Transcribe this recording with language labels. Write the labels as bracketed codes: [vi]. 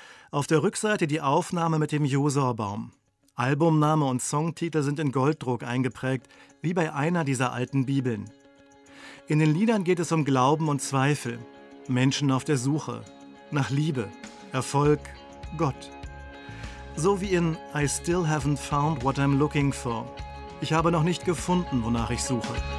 [de] Auf der Rückseite die Aufnahme mit dem Josor-Baum. Albumname und Songtitel sind in Golddruck eingeprägt, wie bei einer dieser alten Bibeln. In den Liedern geht es um Glauben und Zweifel, Menschen auf der Suche, nach Liebe, Erfolg, Gott. So wie in [en] I still haven't found what I'm looking for. [de] Ich habe noch nicht gefunden, wonach ich suche.